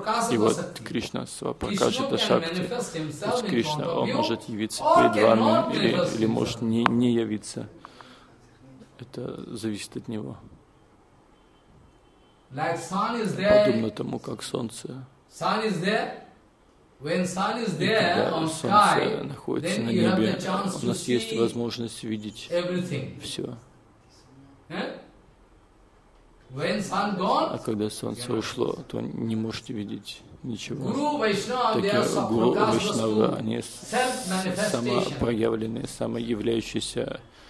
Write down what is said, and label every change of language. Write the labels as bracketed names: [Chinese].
[Russian] И вот Кришна Свапракашита Шакти, то есть Кришна, он может явиться перед вами или может не явиться. Это зависит от него. [English] Like sun is there. [Russian] Подобно тому, как солнце. [English] Sun is there. When sun is there on sky, then you have the chance to see everything. [Russian] У нас есть возможность видеть все. [English] When sun gone, [Russian] а когда солнце ушло, то не можете видеть ничего. Гуру Вайшнава, они самопроявленные, самоявляющиеся.